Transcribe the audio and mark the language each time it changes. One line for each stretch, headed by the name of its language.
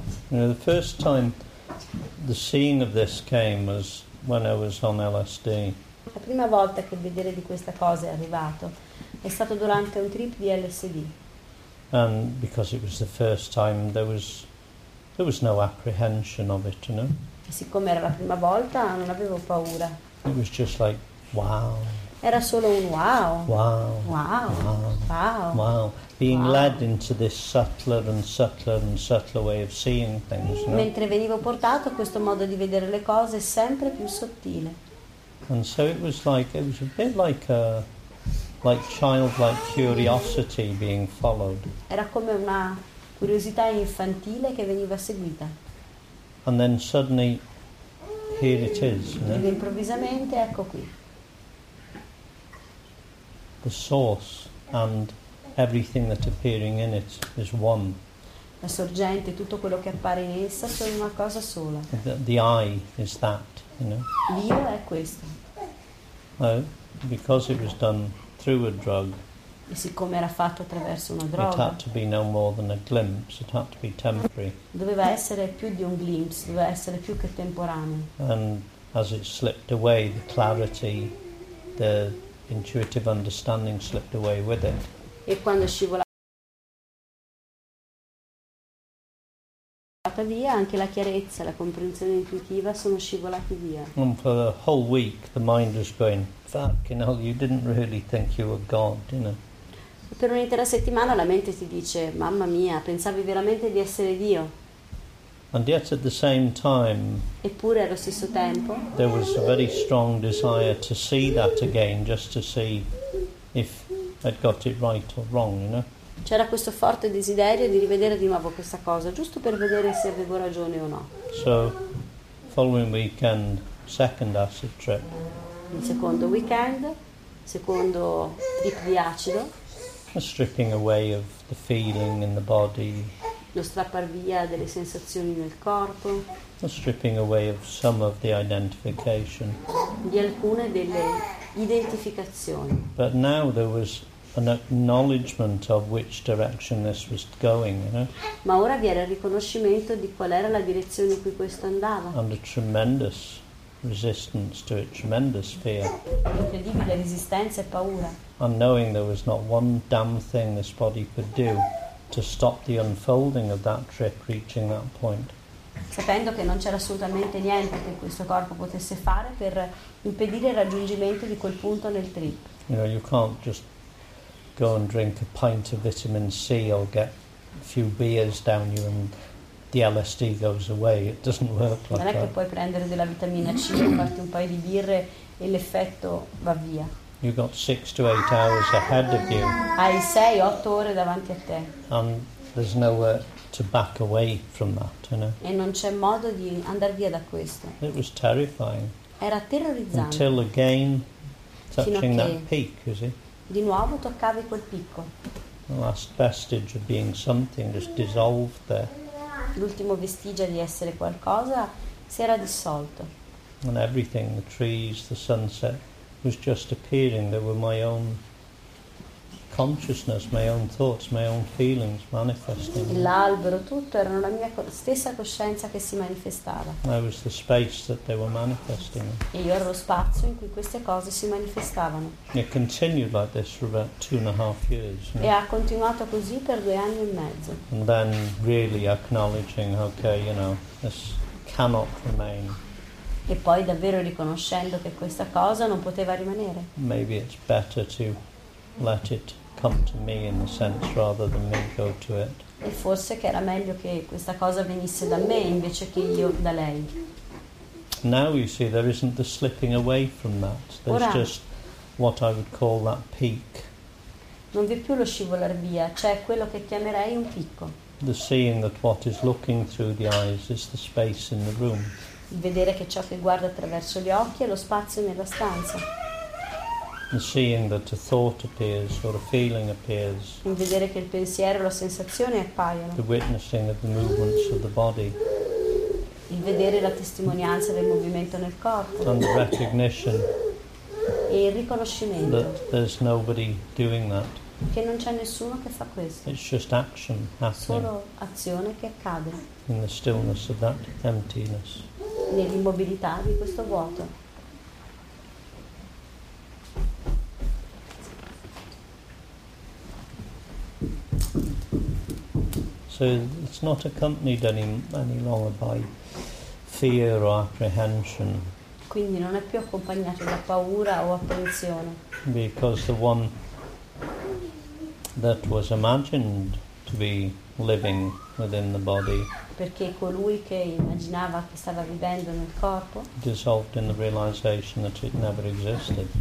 English: You know, the first time the seeing of this came was when I was on LSD.
Italian: La prima volta che il vedere di questa cosa è arrivato è stato durante un trip di LSD.
English: And because it was the first time, there was no apprehension of it, you know.
Italian: E siccome era la prima volta, non avevo paura.
English: It was just like wow.
Italian: Era solo un wow. Wow. Wow. Wow. Wow. Wow.
English: Being led into this subtler and subtler and subtler way of seeing things.
Italian: No? Mentre venivo portato a questo modo di vedere le cose sempre più sottile.
English: And so it was a bit like childlike curiosity being followed.
Italian: Era come una curiosità infantile che veniva seguita.
English: And then suddenly, here it is.
Italian: No? Ed improvvisamente, ecco qui.
English: The source and everything that appearing in it is one.
Italian: La sorgente, tutto quello che appare in essa, sono una cosa sola.
English: The eye is that, you know.
Italian: L'io è questo.
English: Because it was done through a drug.
Italian: E siccome era fatto attraverso una droga.
English: It had to be no more than a glimpse. It had to be temporary.
Italian: Doveva essere più di un glimpse. Doveva essere più che temporaneo.
English: And as it slipped away, the clarity, the intuitive understanding slipped away with it.
Italian: E quando scivolava scappata via, anche la chiarezza, la comprensione intuitiva sono scivolati via.
English: And for the whole week the mind was going, fuck, you know, you didn't really think you were God, you know.
Italian: Per un'intera settimana la mente ti dice, mamma mia, pensavi veramente di essere Dio?
English: And yet at the same time,
Italian: eppure allo stesso tempo,
English: there was a very strong desire to see that again, just to see if I'd got it right or wrong, you know?
Italian: C'era questo forte desiderio di rivedere di nuovo questa cosa, giusto per vedere se avevo ragione o no.
English: So, following weekend, second acid trip.
Italian: Il secondo weekend, secondo trip di acido.
English: A stripping away of the feeling in the body.
Italian: Lo strappar via delle sensazioni nel corpo.
English: A stripping away of some of the identification.
Italian: Di alcune delle identificazioni.
English: But now there was an acknowledgement of which direction this was going, you know?
Italian: Ma ora vi era il riconoscimento di qual era la direzione in cui questo andava.
English: And a tremendous resistance to it, tremendous fear.
Italian: Incredibile resistenza e paura.
English: And knowing there was not one damn thing this body could do to stop the unfolding of that trip reaching that point.
Italian: Sapendo che non c'era assolutamente niente che questo corpo potesse fare per impedire il raggiungimento di quel punto nel trip.
English: You know, you can't just go and drink a pint of vitamin C or get a few beers down you and the LSD goes away. It doesn't work like that.
Italian: Non è che puoi prendere della vitamina C, farti un paio di birre e l'effetto va via.
English: You've got 6 to 8 hours ahead of you.
Italian: Hai 6-8 ore davanti a te.
English: And there's nowhere to back away from that, you know.
Italian: E non c'è modo di andare via da questo.
English: It was terrifying.
Italian: Era terrorizzante.
English: Until again, touching that peak, you see.
Italian: Di nuovo toccavi quel picco.
English: The last vestige of being something just dissolved there.
Italian: L'ultimo vestigio di essere qualcosa si era dissolto.
English: And everything, the trees, the sunset, was just appearing. There were my own consciousness, my own thoughts, my own feelings manifesting.
Italian: L'albero, tutto, era la mia stessa coscienza che si manifestava.
English: I was the space that they were manifesting.
Italian: E io ero lo spazio in cui queste cose si manifestavano.
English: It continued like this for about 2.5 years.
Italian: E ha continuato così per 2 anni e mezzo.
English: And then really acknowledging, okay, you know, this cannot remain.
Italian: E poi davvero riconoscendo che questa cosa non poteva rimanere.
English: Maybe it's better to let it come to me in a sense rather than me go to it.
Italian: E forse che era meglio che questa cosa venisse da me invece che io da lei.
English: Now you see there isn't the slipping away from that. There's just what I would call that peak.
Italian: Non vi è più lo scivolar via, c'è quello che chiamerei un picco.
English: The seeing that what is looking through the eyes is the space in the room.
Italian: Vedere che ciò che guarda attraverso gli occhi è lo spazio nella stanza.
English: Seeing that a thought appears or a feeling appears.
Italian: Vedere che il pensiero o la sensazione appaiono.
English: The witnessing of the movements of the body.
Italian: Il vedere la testimonianza del movimento nel corpo.
English: And the recognition.
Italian: E il riconoscimento.
English: That there's nobody doing that.
Italian: Che non c'è nessuno che fa questo.
English: It's just action happening.
Italian: Solo azione che accade.
English: In the stillness of that emptiness.
Italian: Nell'immobilità di questo vuoto.
English: So it's not accompanied any longer by fear or apprehension.
Italian: Quindi non è più accompagnato da paura o apprensione.
English: Because the one that was imagined to be living within the body.
Italian: Perché colui che immaginava che stava vivendo nel corpo
English: dissolved in the realization that it never existed.